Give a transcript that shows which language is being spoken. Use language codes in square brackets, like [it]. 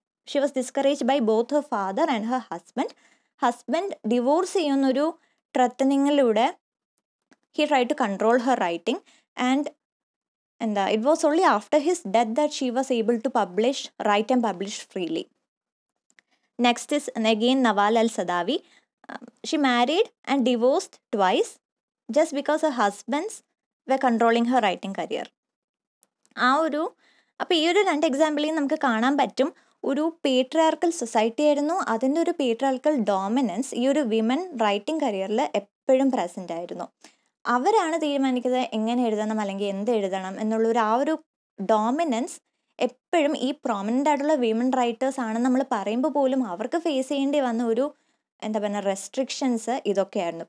[en] She was discouraged by both her father and her husband. Husband divorce [ml] ചെയ്യുന്നൊരു ത്രെത്തനിങ്ങിലൂടെ [en] He try to control her writing. And [ml] എന്താ, [en] It was only after his death that she was able to publish write and publish freely. Next is again Nawal El Saadawi. She married and divorced twice just because her husbands were controlling her writing career. [ml] അപ്പോൾ ഈ ഒരു രണ്ട് എക്സാമ്പിളിൽ നമുക്ക് കാണാൻ പറ്റും ഒരു patriarchal society ആയിരുന്നു, അതിൻ്റെ ഒരു പേട്രിയാർക്കൽ ഡോമിനൻസ് ഈ ഒരു വിമൻ റൈറ്റിംഗ് കരിയറിൽ എപ്പോഴും പ്രസൻ്റ് ആയിരുന്നു. അവരാണ് തീരുമാനിക്കുന്നത് എങ്ങനെ എഴുതണം അല്ലെങ്കിൽ എന്ത് എഴുതണം എന്നുള്ള ഒരു ആ ഒരു ഡോമിനൻസ് എപ്പോഴും ഈ പ്രോമിനൻ്റ് ആയിട്ടുള്ള വിമൻ റൈറ്റേഴ്സ് ആണെന്ന് നമ്മൾ പറയുമ്പോൾ പോലും അവർക്ക് ഫേസ് ചെയ്യേണ്ടി വന്ന ഒരു എന്താ പറയുക റെസ്ട്രിക്ഷൻസ് ഇതൊക്കെയായിരുന്നു.